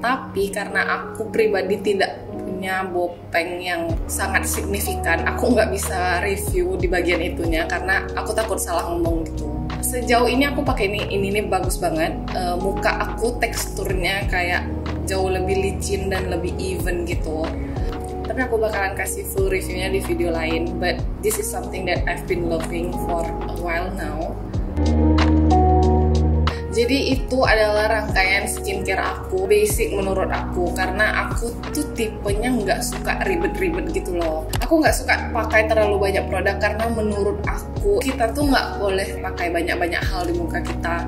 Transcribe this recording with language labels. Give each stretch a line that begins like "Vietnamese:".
Indonesian: Tapi karena aku pribadi tidak punya bopeng yang sangat signifikan, aku nggak bisa review di bagian itunya karena aku takut salah ngomong gitu. Sejauh ini aku pakai ini bagus banget. Muka aku teksturnya kayak jauh lebih licin dan lebih even gitu. Tapi aku bakalan kasih full reviewnya di video lain.
English: But this is something that I've been loving for a while now.
Indonesian: Jadi itu adalah rangkaian skincare aku, basic menurut aku, karena aku tuh tipenya nggak suka ribet-ribet gitu loh. Aku nggak suka pakai terlalu banyak produk karena menurut aku kita tuh nggak boleh pakai banyak-banyak hal di muka kita.